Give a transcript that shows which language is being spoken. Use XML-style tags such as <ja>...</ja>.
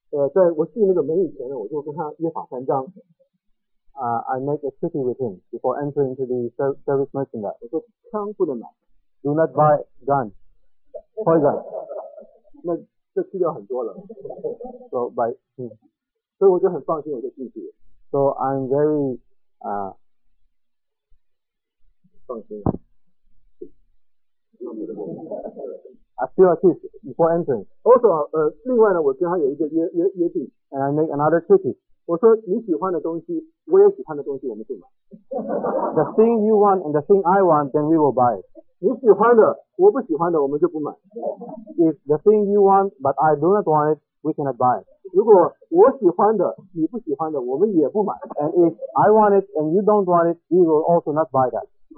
<zh>在我进那个门以前呢，我就跟他约法三章。</zh> <en>I make a treaty with him before entering to the service merchandise.</en> <zh>我说枪不能买。</zh> <en>Do not buy gun. Poison.</en> <zh>那这去掉很多了。</zh> <en>So by him.</en> <zh>所以我就很放心，我就进去。</zh> <en>So I'm very I feel at peace before entering. Also,</en> <zh>另外呢，我跟他有一个约定。</zh> <en>And I make another treaty.</en> <zh>我说你喜欢的东西，我也喜欢的东西，我们就买。</zh> <en>The thing you want and the thing I want, then we will buy it.</en> <zh>你喜欢的，我不喜欢的，我们就不买。</zh> <en>If the thing you want but I do not want it, we cannot buy it.</en> <zh>如果我喜欢的，你不喜欢的，我们也不买。</zh> <en>And if I want it and you don't want it, we will also not buy that.</en>